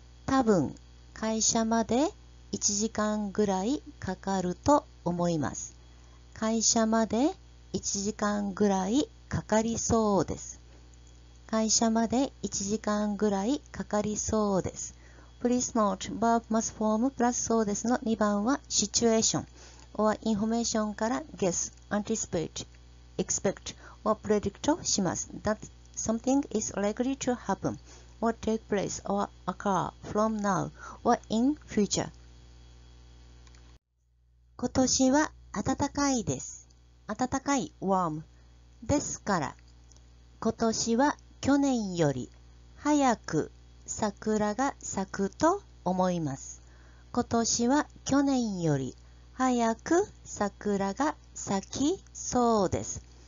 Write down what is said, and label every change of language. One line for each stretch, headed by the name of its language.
Japanese: 多分会社まで1時間ぐらいかかると思います。会社まで1時間ぐらいかかりそうです。会社まで1時間ぐらいかかりそうです。
English: Please note, verb must form plus
Japanese: そうですの2番は
English: situation or information から guess, anticipate, expect or predict します。 That something is likely to happen or take place or occur from now or in future.
Japanese: 今年は暖かいです。暖かい warm ですから今年は去年より早く桜が咲くと思います。今年は去年より早く桜が咲きそうです。